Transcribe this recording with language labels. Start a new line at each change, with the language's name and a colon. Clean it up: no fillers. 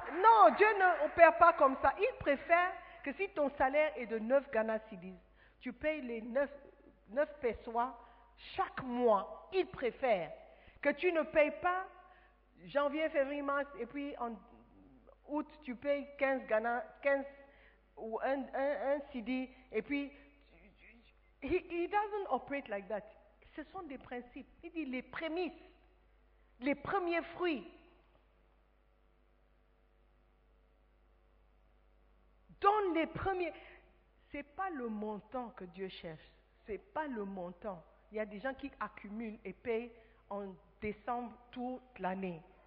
French: Non, Dieu ne opère pas comme ça. Il préfère que si ton salaire est de 9 Ghana Cedis, tu payes les 9 pesos chaque mois. Il préfère que tu ne payes pas janvier, février, mars, et puis en août, tu payes 15 Ghana, 15 ou un Cedi, et puis...
English: He doesn't operate like that.
French: Ce sont des principes. Il dit les prémices, les premiers fruits. Donne les premiers. Ce n'est pas le montant que Dieu cherche. Ce n'est pas le montant. Il y a des gens qui accumulent et payent en décembre toute l'année.